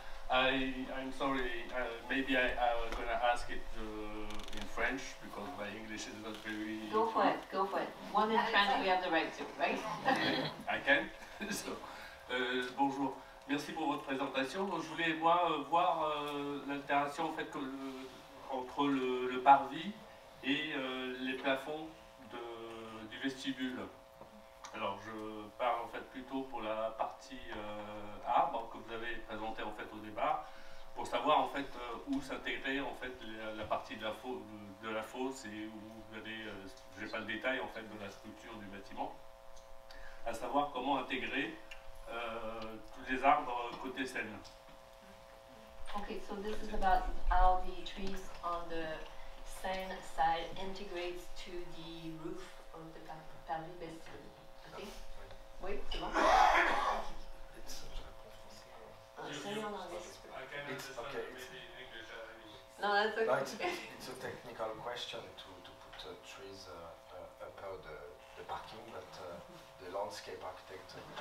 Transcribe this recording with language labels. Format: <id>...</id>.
<en>Hi, I'm sorry, maybe I'm going to ask it in French because my English is not very... Go for it. One in French we have the right to, right? I can.</en> <fr>So, bonjour, merci pour votre présentation. Je voulais voir l'altération en fait, entre le parvis et les plafonds du vestibule. Alors, je parle en fait plutôt pour la partie arbre que vous avez présentée en fait au départ, pour savoir en fait où s'intégrer en fait la partie de la fosse et où vous avez, j'ai pas le détail en fait de la structure du bâtiment, à savoir comment intégrer tous les arbres côté Seine.</fr> <en>Okay, so this is about how the trees on the Seine side integrates to the roof of the parvis vestibule. It's a technical question to put trees upper the parking, but the landscape architect.</en>